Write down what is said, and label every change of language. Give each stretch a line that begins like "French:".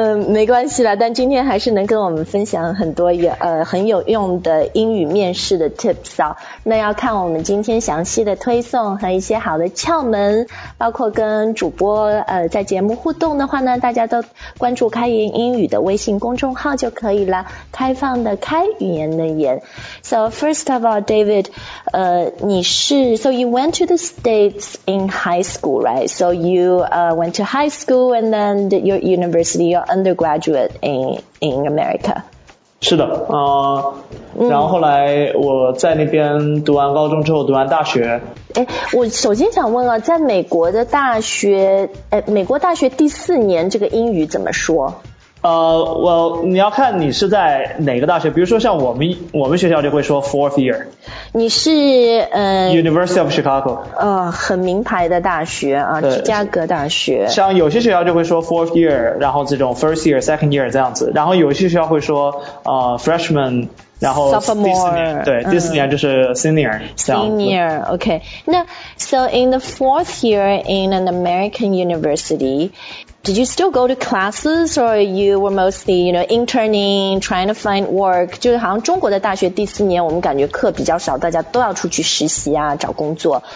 Chinese: 没关系啦，但今天还是能跟我们分享很多很有用的英语面试的 tips 啊。那要看我们今天详细的推送和一些好的窍门，包括跟主播在节目互动的话呢，大家都关注开言英语的微信公众号就可以了，开放的开，语言的言。
English: So first of all, David, so you went to the States in high school, right? So you went to high school and then your university, your undergraduate in America.
Chinese: 是的，然后后来我在那边读完高中之后，读完大学。哎，我首先想问啊，在美国的大学，美国大学第四年这个英语怎么说？你要看你是在哪个大学，比如说像我们学校就会说 fourth year。你是
English: University of Chicago。
Chinese: 很名牌的大学啊，芝加哥大学。像有些学校就会说 fourth year, 然后这种 first year, second year 这样子，然后有些学校会说freshman,然后 第四年就是 senior,
English: senior, OK. 那 so in the fourth year in an American university, did you still go to classes or you were mostly, you know, interning, trying to find work?
Chinese: 就是好像中国的大学第四年我们感觉课比较少，大家都要出去实习啊，找工作。